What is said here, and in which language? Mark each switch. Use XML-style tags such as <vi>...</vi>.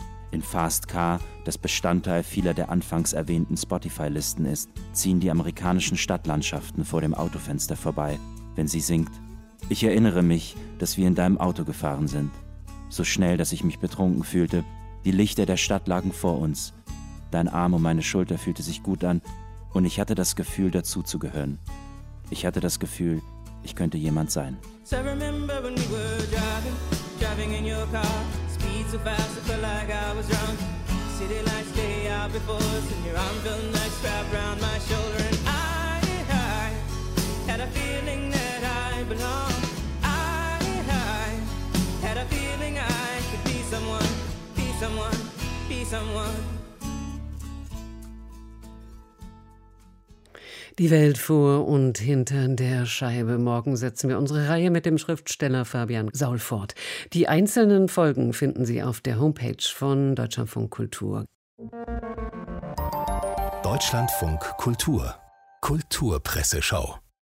<de>In Fast Car, das Bestandteil vieler der anfangs erwähnten Spotify-Listen ist, ziehen die amerikanischen Stadtlandschaften vor dem Autofenster vorbei, wenn sie singt: Ich erinnere mich, dass wir in deinem Auto gefahren sind. So schnell, dass ich mich betrunken fühlte. Die Lichter der Stadt lagen vor uns. Dein Arm um meine Schulter fühlte sich gut an und ich hatte das Gefühl, dazuzugehören. Ich hatte das Gefühl, ich könnte jemand sein.</de> <en>So I remember when we were driving in your car. Speed so fast, I felt like I was drunk. City lights day out before us and your arm felt nice wrapped around my shoulder. And I had a feeling that I belonged. I had a feeling I could be someone, be someone, be someone.</en> <de>Die Welt vor und hinter der Scheibe. Morgen setzen wir unsere Reihe mit dem Schriftsteller Fabian Saul fort. Die einzelnen Folgen finden Sie auf der Homepage von Deutschlandfunk Kultur. Deutschlandfunk Kultur. Kulturpresseschau.</de>